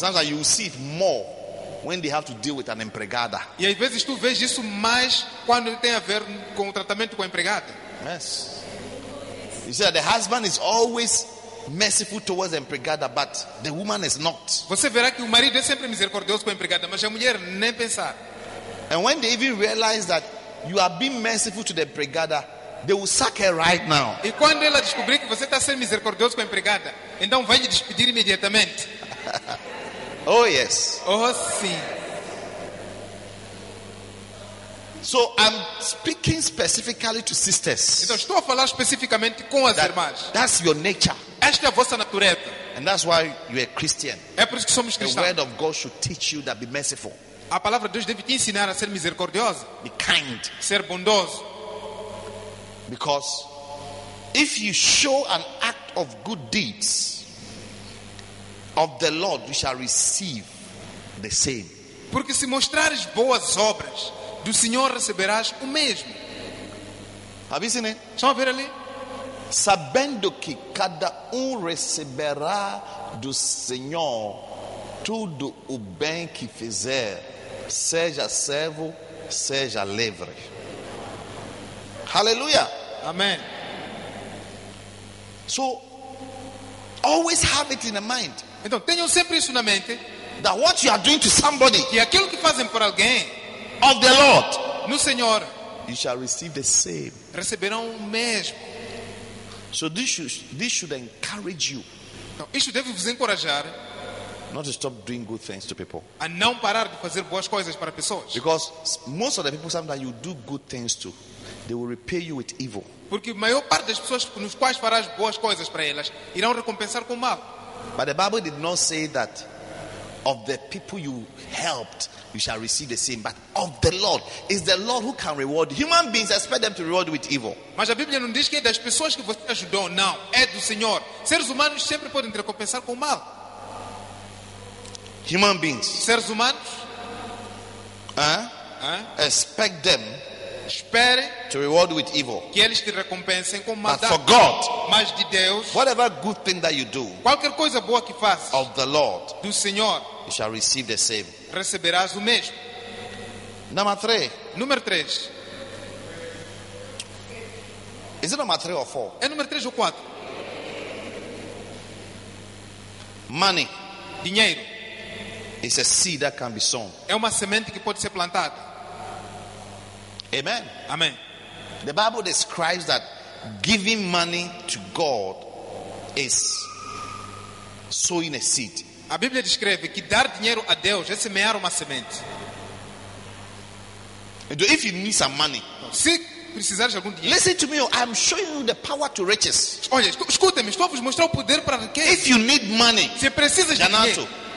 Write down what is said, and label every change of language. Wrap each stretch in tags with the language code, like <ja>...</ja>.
<en>Sometimes you see it more when they have to deal with an empregada.</en> <pt>E às vezes tu vês isso mais quando tem a ver com o tratamento com a empregada.</pt> <en>Yes. You see, the husband is always merciful towards the empregada, but the woman is not.</en> <pt>Você verá que o marido é sempre misericordioso com a empregada, mas a mulher nem pensar.</pt> <en>And when they even realize that you are being merciful to the empregada, they will sack her right now.</en> <pt>E quando ela descobrir que você está sendo misericordioso com a empregada, então vai lhe despedir imediatamente.</pt> <en>Oh yes.</en> <pt>Oh sim.</pt> <en>So I'm speaking specifically to sisters.</en> <pt>Então estou a falar especificamente com as irmãs.</pt> <en>That's your nature.</en> <pt>Esta é a vossa natureza.</pt> <en>And that's why you are Christian.</en> <pt>É por isso que somos cristãos.</pt> <en>The word of God should teach you that be merciful.</en> <pt>A palavra de Deus deve te ensinar a ser misericordioso.</pt> <en>Be kind.</en> <pt>Ser bondoso.</pt> <en>Because if you show an act of good deeds of the Lord, you shall receive the same.</en> <pt>Porque se mostrares boas obras do Senhor, receberás o mesmo.</pt> <en>Have you seen it?</en> <pt>Estão a ver ali? Sabendo que cada receberá do Senhor tudo o bem que fizer, seja servo, seja livre. Hallelujah. Amen.</pt> <en>So, always have it in the mind.</en> <pt>Então, tenham sempre isso na mente.</pt> <en>That what you are doing to somebody,</en> <pt>que aquilo que fazem por alguém,</pt> <en>of the Lord,</en> <pt>no Senhor,</pt> <en>you shall receive the same.</en> <pt>Receberão o mesmo.</pt> <en>So this should encourage you.</en> <pt>Então, isso deve vos encorajar.</pt> <en>Not to stop doing good things to people.</en> <pt>A não parar de fazer boas coisas para pessoas.</pt> <en>Because most of the people sometimes you do good things to, they will repay you with evil.</en> <pt>Porque a maior parte das pessoas nos quais farás boas coisas para elas irão recompensar com mal.</pt> <en>But the Bible did not say that of the people you helped you shall receive the same, but of the Lord is the Lord who can reward. Human beings expect them to reward with evil.</en> <pt>Mas a Bíblia não diz que das pessoas que você ajudou, não, é do Senhor. Seres humanos sempre podem recompensar com mal.</pt> <en>Human beings,</en> <pt>seres humanos,</pt> <en>expect them,</en> <pt>espere,</pt> <en>to reward with evil,</en> <pt>que eles te recompensem com maldade.</pt> <en>But for God,</en> <pt>mas de Deus,</pt> <en>whatever good thing that you do,</en> <pt>qualquer coisa boa que faz,</pt> <en>of the Lord,</en> <pt>do Senhor,</pt> <en>you shall receive the same,</en> <pt>receberás o mesmo. Número 3.</pt> <en>Is it number 3 or 4?</en> <pt>É número 3 ou 4?</pt> <en>Money,</en> <pt>dinheiro.</pt> <en>It's a seed that can be sown.</en> <pt>É uma semente que pode ser plantada. Amen. Amen.</pt> <en>The Bible describes that giving money to God is sowing a seed.</en> <pt>A Bíblia descreve que dar dinheiro a Deus é semear uma semente.</pt> <en>And if you need some money,</en> <pt>se precisares de algum dinheiro,</pt> <en>listen to me. I'm showing you the power to riches.</en> <pt>Olha, escute-me, estou a vos mostrar o poder para riqueza.</pt> <en>If you need money,</en> <pt>se precisas de dinheiro,</pt>